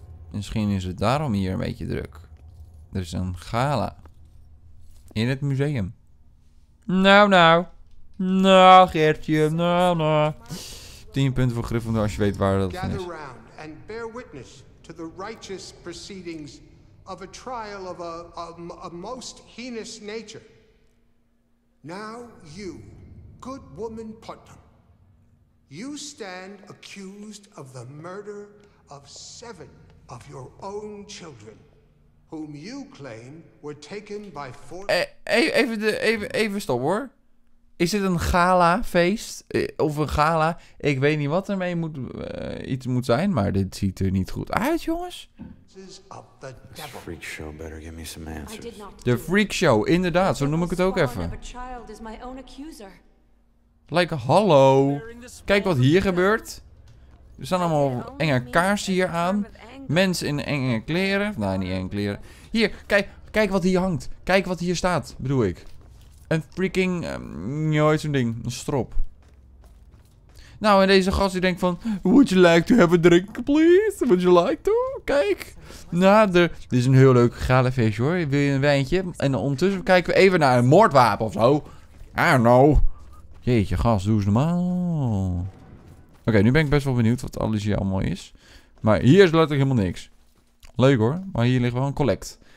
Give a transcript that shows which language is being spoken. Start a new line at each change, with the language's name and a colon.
Dutch: Misschien is het daarom hier een beetje druk. Er is een gala. In het museum. Nou, Geertje. Nou. 10 punten voor Gryffindor als je weet waar dat van is.
English: Gather round and bear witness to the righteous proceedings of a trial of a most heinous nature. Now you, good woman Putnam, you stand accused of the murder of 7 of your own children, whom you claim were taken by four...
Dutch: Even stop hoor. Is dit een gala-feest? Of een gala? Ik weet niet wat ermee moet zijn, maar dit ziet er niet goed uit, jongens.
English: This freak show better give me some answers.
Dutch: De freak show, inderdaad. Zo noem ik het ook even. Like, hallo. Kijk wat hier gebeurt. Er staan allemaal enge kaarsen hier aan. Mensen in enge kleren. Nou, niet enge kleren. Hier, kijk wat hier hangt. Kijk wat hier staat, bedoel ik. Een freaking... nooit zo'n ding. Een strop. Nou, en deze gast die denkt van...
English: Would you like to have a drink, please? Would you like to? Kijk.
Dutch: Nou, dit is een heel leuk gale feestje, hoor. Wil je een wijntje? En ondertussen kijken we even naar een moordwapen of zo.
English: I don't know.
Dutch: Jeetje, gast, doe eens normaal. Oké, nu ben ik best wel benieuwd wat alles hier allemaal is. Maar hier is letterlijk helemaal niks. Leuk hoor, maar hier ligt wel een collect.